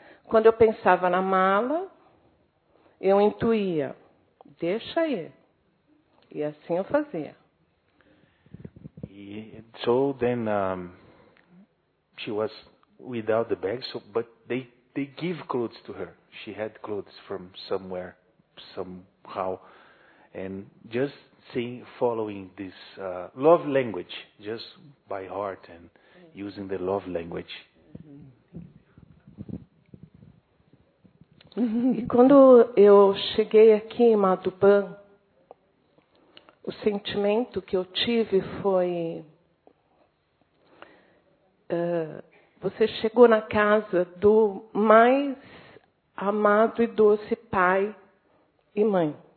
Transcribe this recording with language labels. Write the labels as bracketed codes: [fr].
[pt] Quando eu pensava na mala, eu intuía, deixa ir. E assim eu fazia. [en] So then she was without the bag, so but they give clothes to her. She had clothes from somewhere, somehow, and just seeing, following this love language, just by heart and using the love language. [pt] E quando eu cheguei aqui em Madhuban, o sentimento que eu tive foi: você chegou na casa do mais amado e doce pai e mãe.